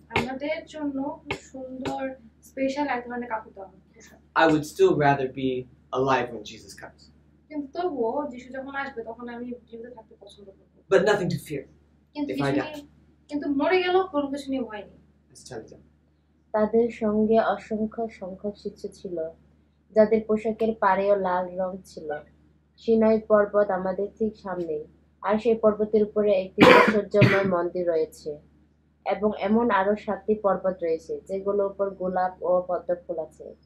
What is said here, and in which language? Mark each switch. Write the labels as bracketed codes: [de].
[bn] আমাদের জন্য সুন্দর স্পেশাল এক ধরনের কাপড় দেওয়া [en] I would still rather be alive when Jesus comes [bn] কিন্তু তবুও যিশু যখন আসবে তখন আমি জীবিত থাকতে পছন্দ করব [en] But nothing to fear [bn] কিন্তু মরে গেলেও কোনো কিছু নিয়ে ভয় নেই তাদের সঙ্গে অসংখ্য সংখ্যক শিষ্য ছিল যাদের পোশাকের পাড়েও লাল রং ছিল সিনাই পর্বত আমাদের ঠিক সামনে আর সেই পর্বতের উপরে একটি আশ্চর্যময় মন্দির রয়েছে এবং এমন আরো সাতটি পর্বত রয়েছে যেগুলোর উপর গোলাপ ও পদ্ম ফুল আছে